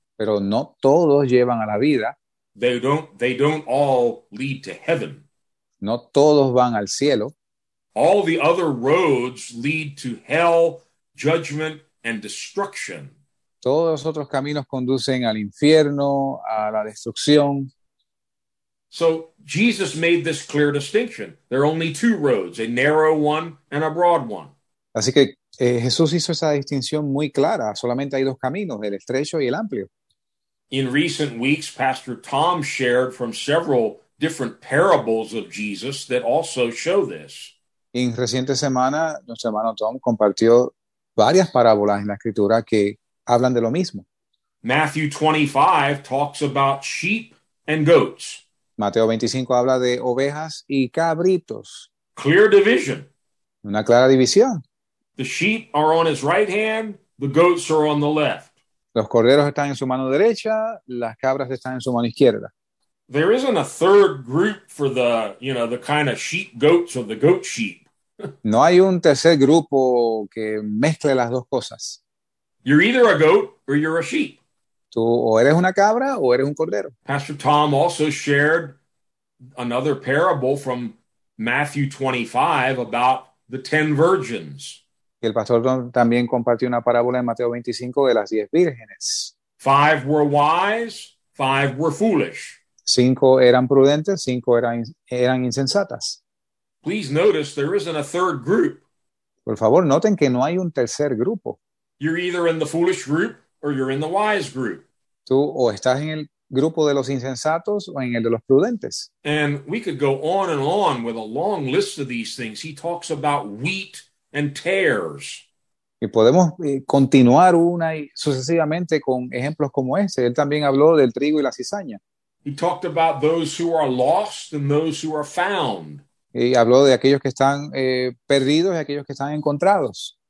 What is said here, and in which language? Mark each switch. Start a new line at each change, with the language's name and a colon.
Spanish: Pero no todos llevan a la vida.
English: They don't all lead to heaven.
Spanish: No todos van al cielo.
English: All the other roads lead to hell, judgment, and destruction.
Spanish: Todos los otros caminos conducen al infierno, a la destrucción.
English: So Jesus made this clear distinction. There are only two roads, a narrow one and a broad one.
Spanish: Así que Jesús hizo esa distinción muy clara. Solamente hay dos caminos, el estrecho y el amplio.
English: In recent weeks, Pastor Tom shared from several different parables of Jesus that also show this.
Spanish: En reciente semana, nuestro hermano Tom compartió varias parábolas en la escritura que hablan de lo mismo.
English: Matthew 25 talks about sheep and goats.
Spanish: Mateo 25 habla de ovejas y cabritos.
English: Clear division.
Spanish: Una clara división.
English: The sheep are on his right hand, the goats are on the left.
Spanish: Los corderos están en su mano derecha, las cabras están en su mano izquierda.
English: There isn't a third group for the, you know, the kind of sheep goats or the goat sheep.
Spanish: No hay un tercer grupo que mezcle las dos cosas.
English: You're either a goat or you're a sheep.
Spanish: Tú o eres una cabra o eres un cordero.
English: Pastor Tom also shared another parable from Matthew 25 about the 10 virgins.
Spanish: El pastor Tom también compartió una parábola en Mateo 25 de las 10 vírgenes.
English: 5 were wise, 5 were foolish.
Spanish: 5 eran prudentes, 5 eran insensatas.
English: Please notice there isn't a third group.
Spanish: Por favor, noten que no hay un tercer grupo.
English: You're either in the foolish group or you're in the wise group.
Spanish: Tú o estás en el grupo de los insensatos o en el de los prudentes.
English: And we could go on and on with a long list of these things. He talks about wheat and tares.
Spanish: Y podemos continuar una y sucesivamente con ejemplos como ese. Él también habló del trigo y la cizaña.
English: He talked about those who are lost and those who are found.
Spanish: Y habló de aquellos que están perdidos y aquellos que están encontrados.